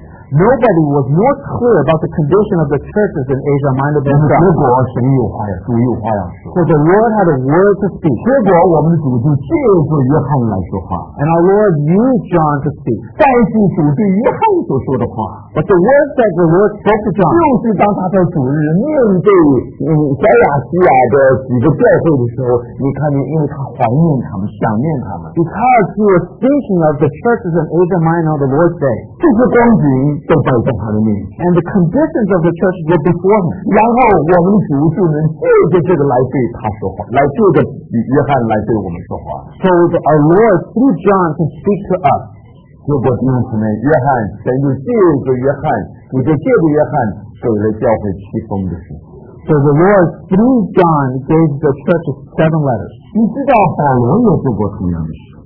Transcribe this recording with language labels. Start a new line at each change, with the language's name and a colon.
English: Nobody was more clear about the condition of the churches in Asia Minor than John.
Chinese: 结果神有话呀，主有话呀。
English: So the Lord had a word to speak.
Chinese: 结果我们主就借着约翰来说话。
English: And our Lord used John to speak.
Chinese: 再次主对约翰所说的话。
English: But the word that the Lord spoke to John.
Chinese: 就是当他在主日面对小亚细亚的几个教会的时候，你看见，因为他怀念他们，想念他们。
English: Because he was thinking of the churches in Asia Minor, the Lord said.
Chinese: 这是光景。
English: And the conditions of the church were before him.
Chinese: 然后我们主就能借着这个来对他说话，来借着约翰来对我们说话。
English: So our Lord through John can speak to us.
Chinese: 结果弟兄姊妹，约翰，神就借着约翰，主就借着约翰给了教会七封的信。
English: So the Lord through John gave the church seven letters.
Chinese: 你知道保罗有做过什么样的事？